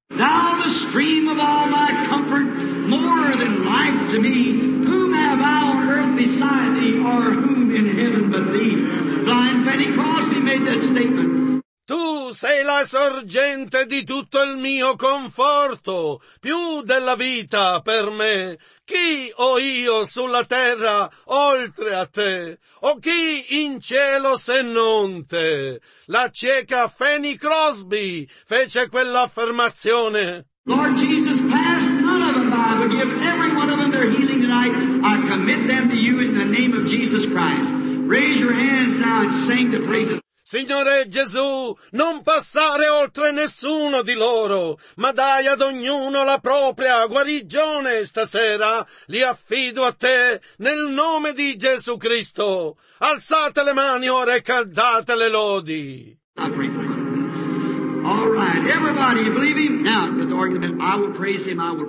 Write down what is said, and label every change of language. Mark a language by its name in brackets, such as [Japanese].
[English] Thou the stream of all my comfort, more than life to me. Whom have I on earth beside thee, or whom in heaven but thee? Blind Fanny Crosby made that statement. [Italian] Tu sei la sorgente di tutto il mio conforto, più della vita per me. Chi ho io sulla terra oltre a te? O chi in cielo se non te? La cieca Fanny Crosby fece quell'affermazione. [English] Lord Jesus, pass none of them by, but give every one of them their healing tonight. I commit them to you in the name of Jesus Christ. Raise your hands now and sing the praises. [Italian] Signore Gesù, non passare oltre nessuno di loro, ma dai ad ognuno la propria guarigione stasera. Li affido a te, nel nome di Gesù Cristo. Alzate le mani ora e cantate le lodi. [English] All right, everybody, you believe him? Now, with the argument, I will praise him.